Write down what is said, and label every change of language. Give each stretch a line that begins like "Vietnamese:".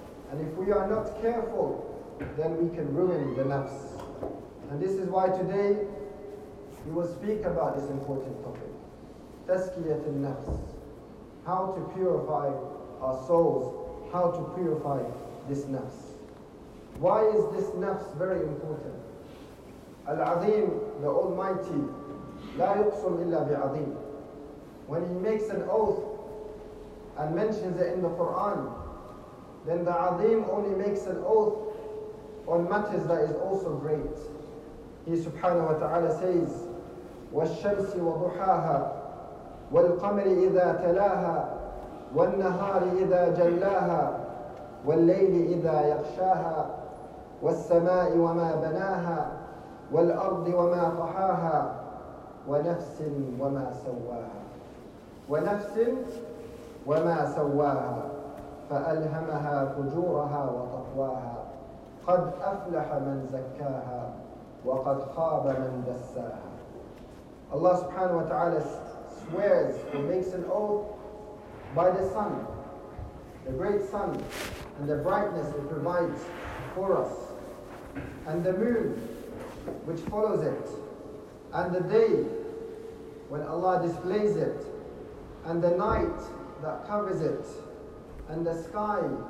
English: And if we are not careful, then we can ruin the nafs. And this is why today, He will speak about this important topic. Tazkiyat al-nafs. How to purify our souls. How to purify this nafs. Why is this nafs very important?
Arabic: Al-Azim,
English: the Almighty,
Arabic: لا يقسم إلا بعظيم.
English: When he makes an oath and mentions it in the Quran, then the Azim only makes an oath on matters that is also great. He subhanahu wa ta'ala says,
Arabic: والشمس وضحاها والقمر إذا تلاها والنهار إذا جلاها والليل إذا يغشاها والسماء وما بناها والأرض وما طحاها ونفس وما سواها ونفس وما سواها فألهمها فجورها وتقواها قد أفلح من زكاها وقد خاب من دساها.
English: Allah subhanahu wa ta'ala swears or makes an oath by the sun, the great sun, and the brightness it provides for us, and the moon which follows it, and the day when Allah displays it, and the night that covers it, and the sky,